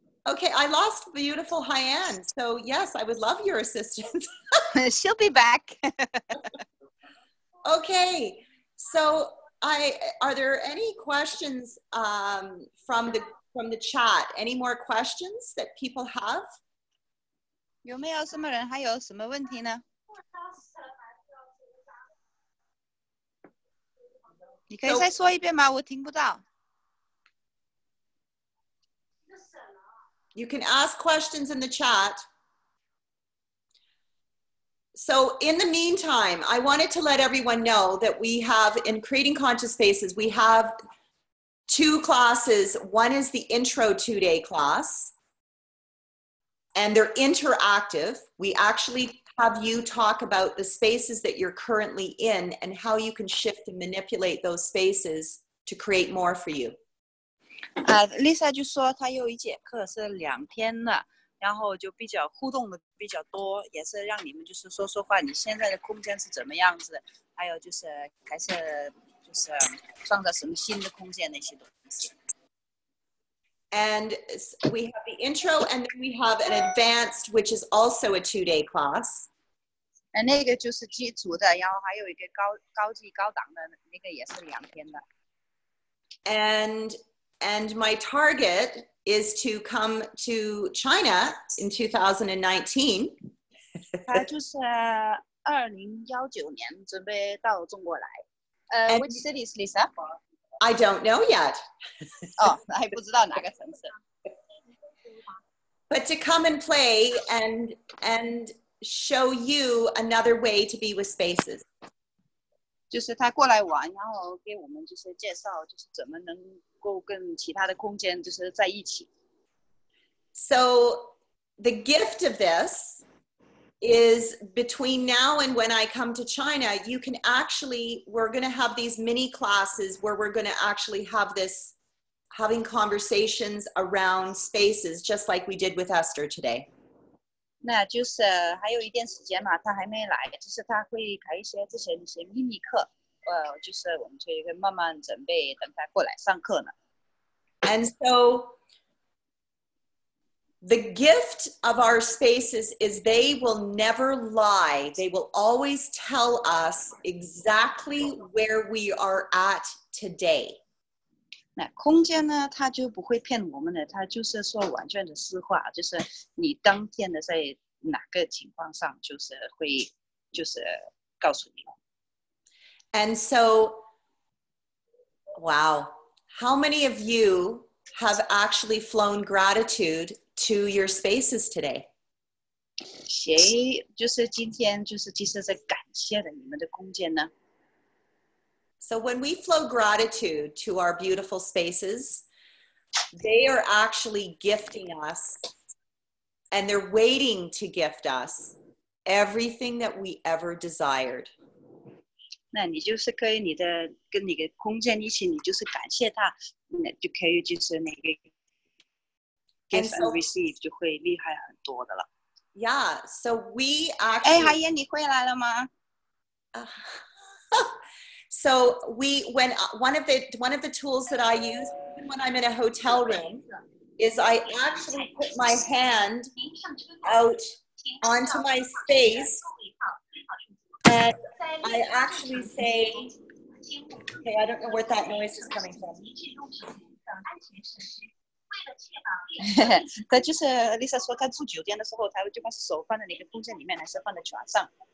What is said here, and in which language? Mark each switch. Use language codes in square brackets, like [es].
[en] Okay, I lost beautiful Hi, Anne. So, yes, I would love your assistance. She'll be back. Okay, so are there any questions from the chat? Any more questions that people have? [zh] 有没有什么人还有什么问题呢？你可以再说一遍吗？我听不到。 [en] You can ask questions in the chat. So in the meantime, I wanted to let everyone know that we have, in Creating Conscious Spaces, we have two classes. One is the intro two-day class. and they're interactive. We actually have you talk about the spaces that you're currently in and how you can shift and manipulate those spaces to create more for you. [zh] Lisa 就说她有一节课是两天的，然后就比较互动的比较多，也是让你们就是说说话，你现在的空间是怎么样子，还有就是还是就是创造什么新的空间那些东西。 [en] And we have the intro, and then we have an advanced, which is also a two-day class. [zh] And 那个就是基础的，然后还有一个高级高档的那个也是两天的。 [en] And my target is to come to China in 2019. [zh] 就是2019年准备到中国来。 [en] Which city is Lisa for? I don't know yet. [zh] Oh, 还不知道哪个城市。 [en] But to come and play and show you another way to be with spaces. [zh] 就是他过来玩，然后给我们就是介绍，就是怎么能够跟其他的空间就是在一起。 [en] So the gift of this is between now and when I come to China, you can actually, we're going to have these mini classes where we're going to actually have this, having conversations around spaces, just like we did with Esther today. [zh] 那就是还有一点时间嘛，他还没来，就是他会开一些这些一些秘密课，就是我们就会慢慢准备等他过来上课呢。 [en] And so,The gift of our spaces is they will never lie. They will always tell us exactly where we are at today. [zh] 那空间呢，它就不会骗我们的，它就是说完全的实话，就是你当天的在哪个情况上，就是会就是告诉你。 [en] And so, wow, how many of you have actually flown gratitude? To your spaces today. [zh] 谁就是今天就是其实是感谢了你们的空间呢 [en] So when we flow gratitude to our beautiful spaces, they are actually gifting us, and they're waiting to gift us everything that we ever desired. [zh] 那你就是可以你的跟你的空间一起，你就是感谢他，那就可以就是那个。 [en] And so, receive [zh] 就会厉害很多的了。 [en] Yeah, so we actually. [zh] 哎，海燕，你回来了吗？ [en] So we when one of the tools that I use even when I'm in a hotel room is I actually put my hand out onto my space and I actually say, "Okay, I don't know where that noise is coming from." [zh] 他就是 Lisa 说，他住酒店的时候，他会就把手放在那个空间里面，还是放在床上。